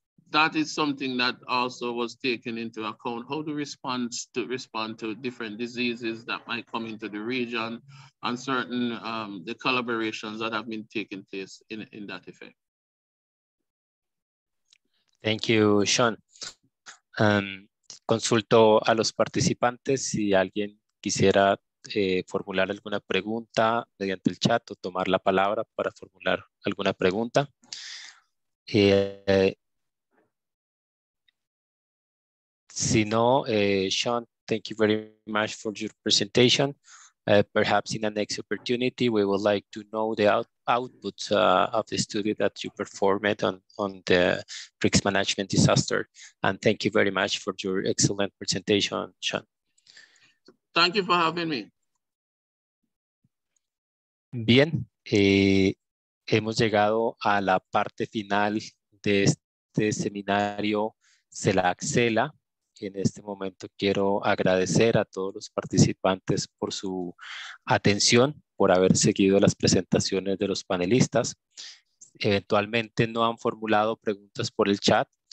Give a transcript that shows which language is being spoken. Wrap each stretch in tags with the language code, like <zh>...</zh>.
<en>That is something that also was taken into account. How to respond to different diseases that might come into the region and certain the collaborations that have been taking place in that effect. Thank you, Sean.</en> <es>Consulto a los participantes si alguien quisiera formular alguna pregunta mediante el chat o tomar la palabra para formular alguna pregunta. Si no,</es> <en>Sean, thank you very much for your presentation. Perhaps in the next opportunity, we would like to know the output of the study that you performed on the risk management disaster. And thank you very much for your excellent presentation, Sean. Thank you for having me.</en> <es>Bien, hemos llegado a la parte final de este seminario CELAC-CELA. En este momento quiero agradecer a todos los participantes por su atención, por haber seguido las presentaciones de los panelistas. Eventualmente no han formulado preguntas por el chat,</es>